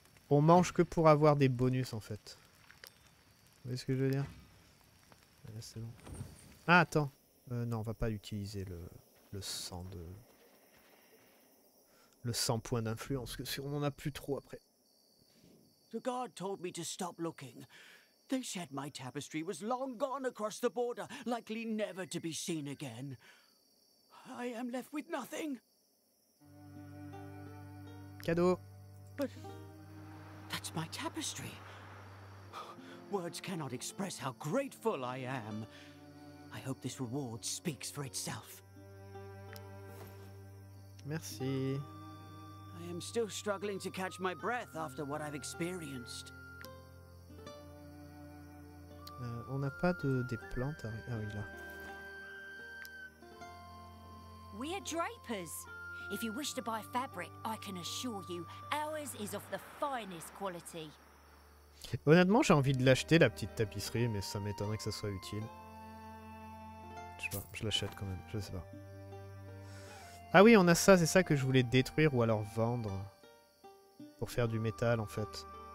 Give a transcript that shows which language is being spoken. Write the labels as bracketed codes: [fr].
[fr] On mange que pour avoir des bonus, en fait. Vous voyez ce que je veux dire? Ouais, c'est bon. Ah, attends. Non, on va pas utiliser le sang de... Le sang point d'influence, parce qu'on en a plus trop après. [en] The guard told me to stop looking. They said my tapestry was long gone across the border, likely never to be seen again. I am left with nothing. [fr] Cadeau. [en] But... That's my tapestry. Words cannot express how grateful I am. I hope this reward speaks for itself. [fr] Merci. [en] I am still struggling to catch my breath after what I've experienced. [fr] On n'a pas des plantes à... Ah oui, là. [en] We are drapers. If you wish to buy fabric, I can assure you, ours is of the finest quality. [fr] Honnêtement, j'ai envie de l'acheter, la petite tapisserie, mais ça m'étonnerait que ça soit utile. Je sais pas, je l'achète quand même, je sais pas. Ah oui, on a ça, c'est ça que je voulais détruire ou alors vendre. Pour faire du métal, en fait.